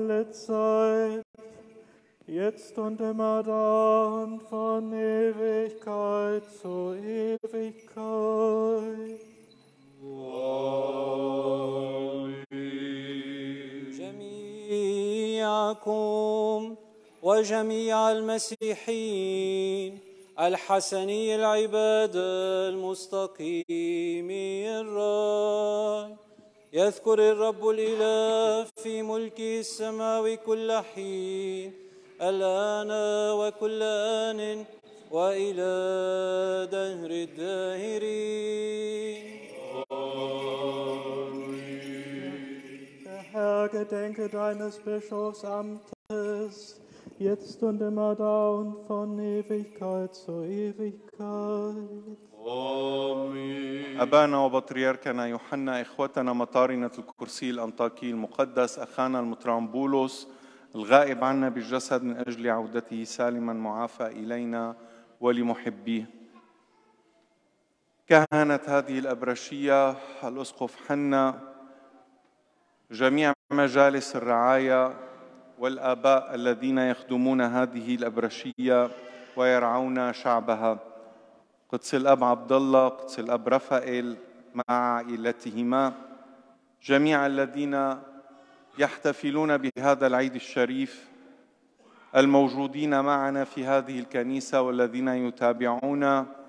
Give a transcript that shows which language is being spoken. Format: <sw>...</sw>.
<de>Zeit, jetzt und immer da und von Ewigkeit zu Ewigkeit.</de> <ar>آمين. جميعكم وجميع المسيحيين الحسني العباد المستقيم الرأي يذكر الرب الإله في ملكه السماوي كل حين الآن وكل آن وإلى دهر الداهرين.</ar> <de>Der Herr gedenke deines Bischofsamtes, jetzt und immer da und von Ewigkeit zu Ewigkeit.</de> <ar>أبانا وبطريركنا يوحنا إخوتنا مطارنة الكرسي الأنطاكي المقدس أخانا المطران بولس الغائب عنا بالجسد من أجل عودته سالما معافى إلينا ولمحبيه. كهنة هذه الأبرشية الأسقف حنا جميع مجالس الرعاية والآباء الذين يخدمون هذه الأبرشية ويرعون شعبها قدس الأب عبد الله قدس الأب رفائيل مع عائلتهما جميع الذين يحتفلون بهذا العيد الشريف الموجودين معنا في هذه الكنيسة والذين يتابعون</ar>